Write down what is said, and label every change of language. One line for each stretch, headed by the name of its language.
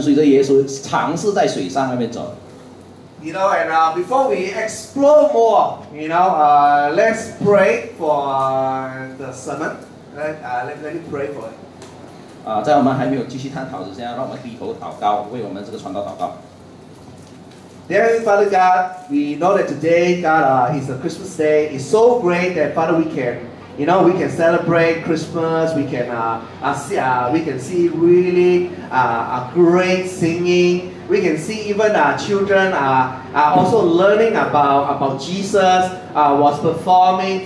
Chinese: 然后刚才我们看到片段的时刻呢，就是耶稣在水上走，然后彼得圣王也在跟随着耶稣，尝试在水上那边走。
English: You know, and before we explore more, you know, let's pray for the sermon. Let me pray for it.
Chinese: 在我们还没有继续探讨之前，让我们低头祷告，为我们这个传道祷告。
English: Dear Heavenly Father God, we know that today, God, is a Christmas day. It's so great that, Father, we can, you know, we can celebrate Christmas. We can see really a great singing. We can see even our children are also learning about Jesus, was performing.